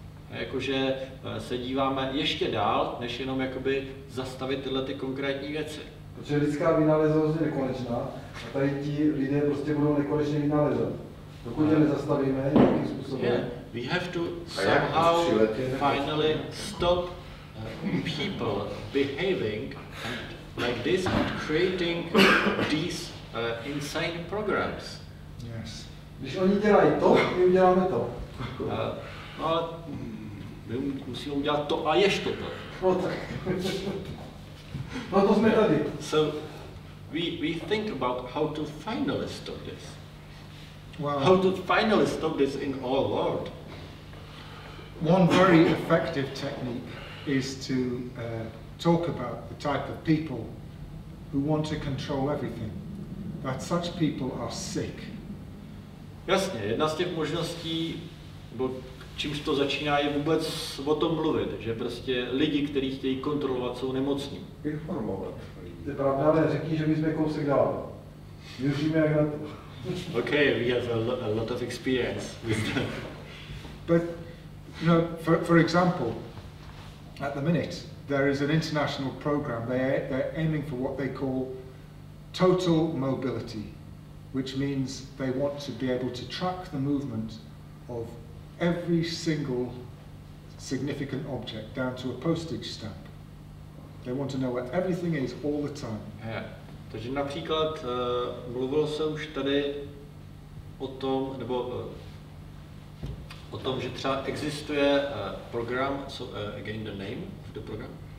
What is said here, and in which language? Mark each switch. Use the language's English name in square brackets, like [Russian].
[Czech] Jakože se díváme ještě dál, než jenom jakoby zastavit tyhle ty konkrétní věci. Protože lidská vynálezovost je nekonečná a tady ti lidé prostě budou nekonečně vynálezat. Dokud je nezastavíme, nějakým způsobem. [English] Yeah. We have to somehow finally stop people behaving and like this and creating these insane programs. Yes. [Czech] Když oni dělají to, my uděláme to. No, my musíme udělat to a ještě to. No tak. No to jsme tady. [English] So, we think about how to finally stop this. Well, how to finally stop this in all world. One very effective technique is to talk about the type of people who want to control everything. That such people are sick. [Czech] Jasně, jedna z těch možností, nebo čímž to začíná, je vůbec o tom mluvit, že prostě lidi, kteří chtějí kontrolovat, jsou nemocní. Informovat. To je pravda, ale řekni, že my jsme kousek dál. Věříme jak na to. [English] Okay, we have a lot of experience with that. But, you know, for example, at the minute, there is an international program. They're aiming for what they call total mobility, which means they want to be able to track the movement of every single significant object down to a postage stamp. They want to know where everything is all the time. Yeah. [Czech] Takže například mluvil se už tady o tom, nebo o tom, že třeba existuje program, co [English] again the name of the program?